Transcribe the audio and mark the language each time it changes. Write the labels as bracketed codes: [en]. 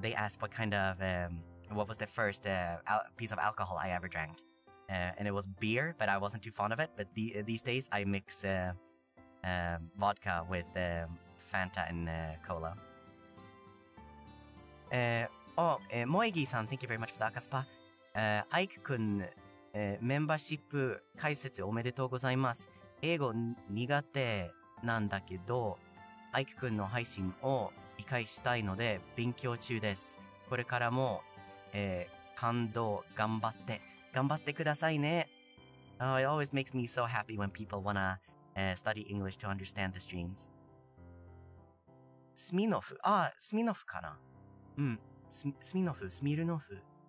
[en] They asked what kind of、what was the first、piece of alcohol I ever drank、and it was beer, but I wasn't too fond of it. But these days I mix、vodka with、Fanta and、cola. Moegi san, thank you very much for the akaspa. [ja] Ike kun, membership 開設おめでとうございます。英語苦手なんだけど、アイクくんの配信を理解したいので勉強中です。これからも、感動頑張って、頑張ってくださいね。 [en] Oh, it always makes me so happy when people wanna、study English to understand the streams. [ja] スミノフ、あ、スミノフかな。うん、スミノフ、スミルノフ。